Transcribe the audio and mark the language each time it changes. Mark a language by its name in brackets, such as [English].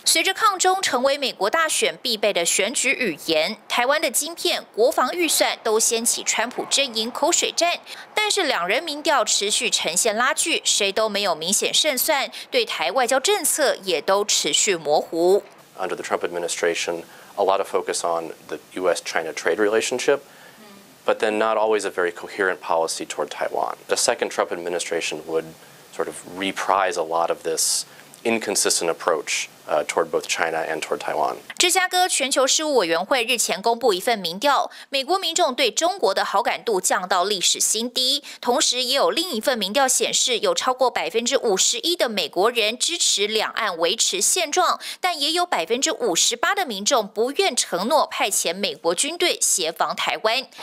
[Chinese] 随着抗中成为美国大选必备的选举语言，台湾的晶片、国防预算都掀起川普阵营口水战。但是两人民调持续呈现拉锯，谁都没有明显胜算，对台外交政策也都持续模糊。 [English] Under the Trump administration, a lot of focus on the U.S.-China trade relationship, but then not always a very coherent policy toward Taiwan. The second Trump administration would sort of reprise a lot of this inconsistent approach toward both China and toward Taiwan. [Chinese] 芝加哥全球事务委员会日前公布一份民调，美国民众对中国的好感度降到历史新低。同时，也有另一份民调显示，有超过51%的美国人支持两岸维持现状，但也有58%的民众不愿承诺派遣美国军队协防台湾。